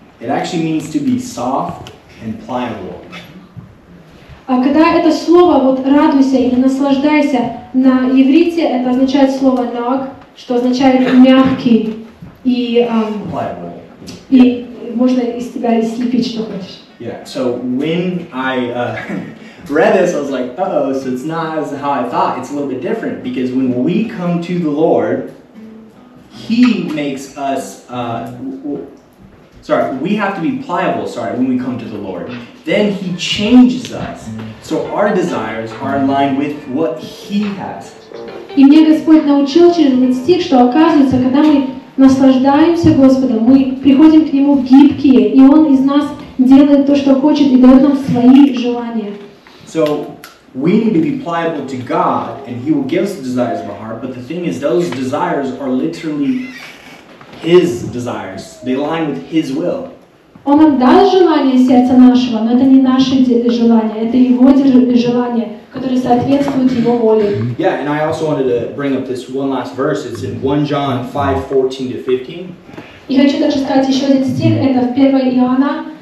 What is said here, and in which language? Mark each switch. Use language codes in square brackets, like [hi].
[en] It actually means to be soft and pliable. [ru] А когда это слово вот радуйся или наслаждайся на иврите, это означает слово наг, что означает мягкий и и можно из тебя слепить что хочешь. [en] Yeah. So when I read this, I was like, uh-oh, so it's not as how I thought. It's a little bit different because when we come to the Lord, He makes us we have to be pliable, when we come to the Lord. Then He changes us. So our desires are in line with what He has. [ru] И мне Господь научил через этот стих, что оказывается, когда мы наслаждаемся Господом, мы приходим к Нему гибкие, и Он из нас делает то, что хочет, и дает нам свои желания. [en] So we need to be pliable to God, and He will give us the desires of our heart, but the thing is, those desires are literally His desires. They align with His will. [ru] Он нам дал желание сердца нашего, но это не наши желания, это Его желания, которые соответствуют Его воле. [en] Yeah, and I also wanted to bring up this one last verse. It's in 1 John 5:14-15. [ru] Я хочу также сказать еще один стих, это в 1 Иоанна